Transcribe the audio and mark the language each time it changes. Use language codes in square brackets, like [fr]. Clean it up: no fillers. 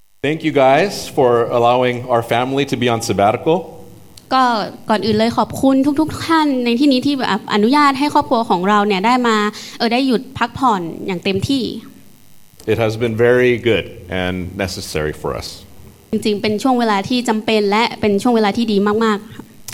[en] Thank you guys for allowing our family to be on sabbatical. [th] ก็ก่อนอื่นเลยขอบคุณทุกๆท่านในที่นี้ที่อนุญาตให้ครอบครัวของเราเนี่ยได้มาได้หยุดพักผ่อนอย่างเต็มที่ [en] It has been very good and necessary for us. [th] จริงๆเป็นช่วงเวลาที่จำเป็นและเป็นช่วงเวลาที่ดีมากๆค่ะ